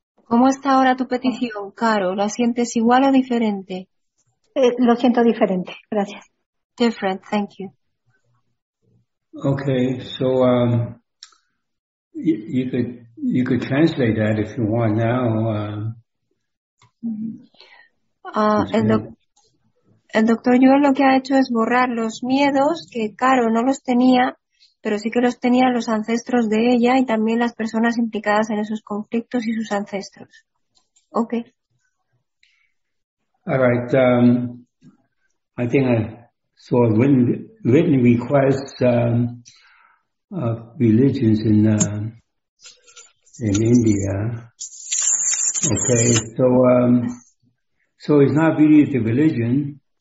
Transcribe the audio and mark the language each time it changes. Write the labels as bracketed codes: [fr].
[es] ¿Cómo está ahora tu petición, Caro? ¿La sientes igual o diferente? Lo siento diferente. Gracias. [en] Different. Thank you. Okay. So you could translate that if you want now. [es] El doctor Yuen lo que ha hecho es borrar los miedos que Caro no los tenía. Pero sí que los tenían los ancestros de ella y también las personas implicadas en esos conflictos y sus ancestros. [en] Okay. All right. I think I saw written requests of religions in India. Okay. So it's not really the religion.